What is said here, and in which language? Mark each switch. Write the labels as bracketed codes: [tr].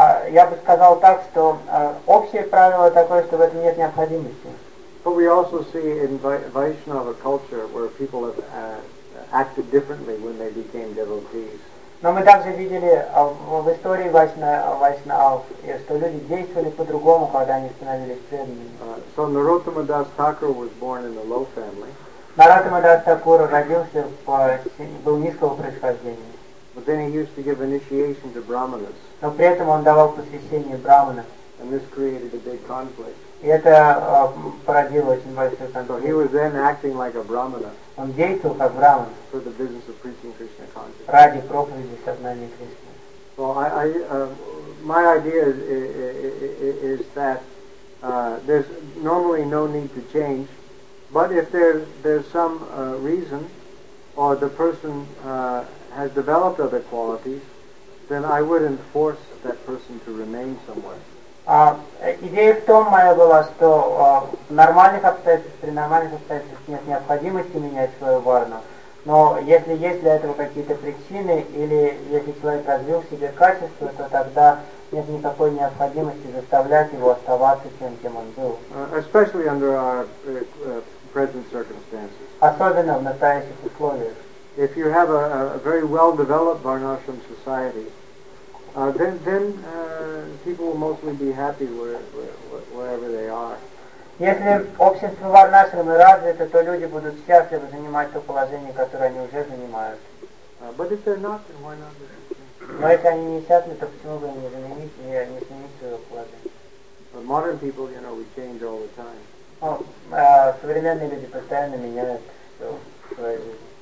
[ru] Я бы сказал так, что общее правило такое, что в этом нет необходимости. [en] But we also see in Vaishnava culture where people have acted differently when they became devotees. [ru] Но мы также видели в истории Вайшнав, что люди действовали по-другому, когда они становились преданными. [en] So Narottama Das Thakur was born in a low family. [ru] Narottama Das Thakur родился был низкого происхождения. [en] But then he used to give initiation to brahmanas. [ru] Но при этом он давал посвящение брахманам. [en] And this created a big conflict. [ru] И это породило очень большой конфликт. [en] So he was then acting like a brahmana. [ru] Он действовал как брахман. [en] For the business of preaching Krishna consciousness. [ru] Ради проповеди сознания Кришны. [en] So my idea is that there's normally no need to change, but if there's some reason, or the person has developed other qualities, then I wouldn't force that person to remain somewhere. [ru] Идея в том моя была, что нормальных обстоятельств, при нормальных обстоятельствах нет необходимости менять свою варну. Но если есть для этого какие-то причины, или если человек развил в себе качество, то тогда нет никакой необходимости заставлять его оставаться тем, кем он был. [en] Especially under our present circumstances. [ru] Особенно в настоящих условиях. [en] If you have a very well-developed Varnashram society, then people will mostly be happy wherever they are. [ru] Если общество Варнашрам развито, то люди будут счастливы занимать то положение, которое они уже занимают. [en] But if they're not, then why not? [ru] Но если они несчастны, то почему бы не заменить и не сменить свое положение? [en] But modern people, you know, we change all the time. [ru] Современные люди постоянно меняют все в своей жизни.